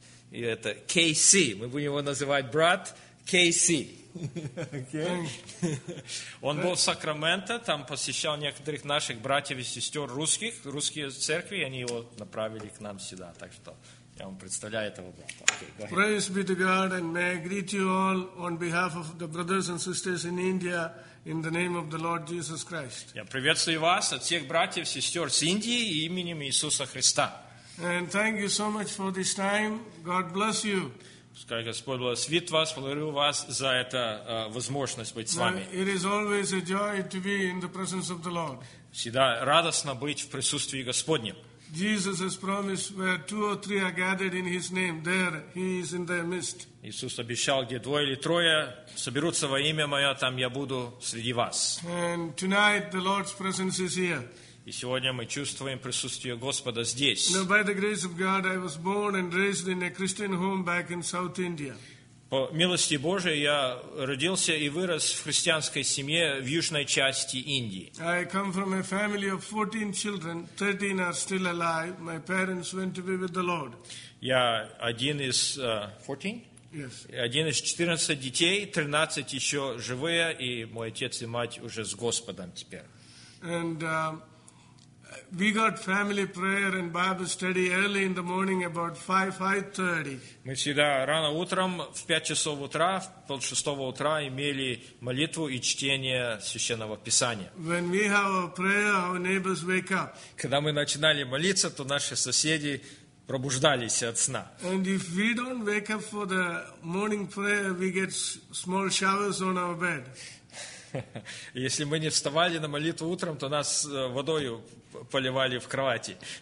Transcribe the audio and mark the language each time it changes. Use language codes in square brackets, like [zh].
[ru] И это KC. Мы будем его называть брат KC. [en] Okay. [ru] Он был в Сакраменто, там посещал некоторых наших братьев и сестер русских, русские церкви, и они его направили к нам сюда. Так что я вам представляю этого брата. [en] Okay, praise be to God, and may I greet you all on behalf of the brothers and sisters in India in the name of the Lord Jesus Christ. [ru] Я приветствую вас от всех братьев и сестер с Индии и именем Иисуса Христа. [en] And thank you so much for this time. God bless you. [ru] Пускай Господь благословит вас, благодарю вас за эту возможность быть с вами. [en] It is always a joy to be in the presence of the Lord. [ru] Всегда радостно быть в присутствии Господнем. [en] Jesus has promised where two or three are gathered in His name, there He is in their midst. [ru] Иисус обещал, где двое или трое соберутся во имя Мое, там Я буду среди вас. [en] And tonight the Lord's presence is here. [ru] И сегодня мы чувствуем присутствие Господа здесь. [en] Now, by the grace of God, I was born and raised in a Christian home back in South India. [ru] По милости Божией я родился и вырос в христианской семье в южной части Индии. [en] I come from a family of 14 children. 13 are still alive. My parents went to be with the Lord. [ru] Я один из 14? [en] Yes. [ru] Один из 14 детей, 13 еще живые, и мой отец и мать уже с Господом теперь. [en] And we got family prayer and Bible study early in the morning about 5:30. [ru] Мы всегда рано утром в 5 часов утра, в 5:30 утра имели молитву и чтение Священного Писания. [en] When we have our prayer, our neighbors wake up. [ru] Когда мы начинали молиться, то наши соседи пробуждались от сна. [en] And if we don't wake up for the morning prayer, we get small showers on our bed. [ru] Если мы не вставали на молитву утром, то нас водой поливали в кровати.